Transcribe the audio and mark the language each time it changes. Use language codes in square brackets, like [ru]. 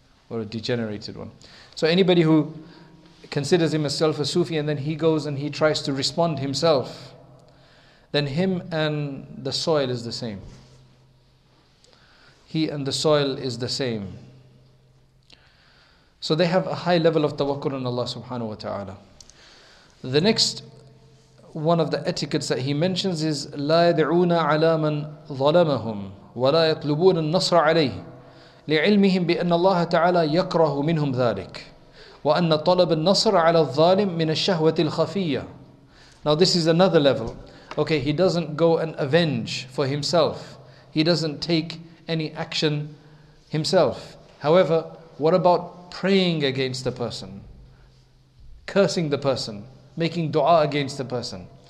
[en] Or a degenerated one. So anybody who considers himself a Sufi and then he goes and he tries to respond himself, then him and the soil is the same. He and the soil is the same. So they have a high level of tawakkul on Allah subhanahu wa ta'ala. The next one of the etiquettes that he mentions is [ar] لا يدعون على من ظلمهم ولا يطلبون النصر عليه لعلمهم بأن الله تعالى يكره منهم ذلك وأن طلب النصر على الظالم من الشهوة الخفية. [en] Now this is another level. Okay, he doesn't go and avenge for himself. He doesn't take any action himself. However, what about praying against the person, cursing the person, making dua against the person?